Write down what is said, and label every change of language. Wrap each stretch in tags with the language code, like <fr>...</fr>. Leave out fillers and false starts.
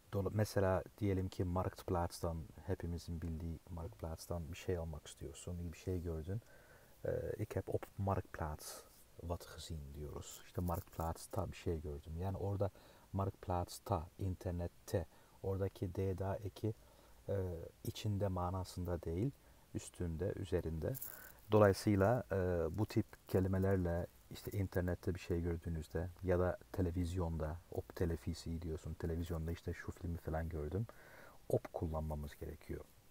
<tr>Mesela diyelim ki Marktplaats'tan, hepimizin bildiği Marktplaats'tan bir şey almak istiyorsun, bir şey gördün.</tr> <nl>Ik heb op Marktplaats wat gezien</nl> <tr>diyoruz. İşte Marktplaats'ta bir şey gördüm. Yani orada Marktplaats'ta, internette, oradaki D da eki içinde manasında değil, üstünde, üzerinde. Dolayısıyla bu tip kelimelerle işte internette bir şey gördüğünüzde ya da televizyonda,</tr> <nl>op televisi</nl> <tr>diyorsun, televizyonda işte şu filmi falan gördüm, op kullanmamız gerekiyor.</tr>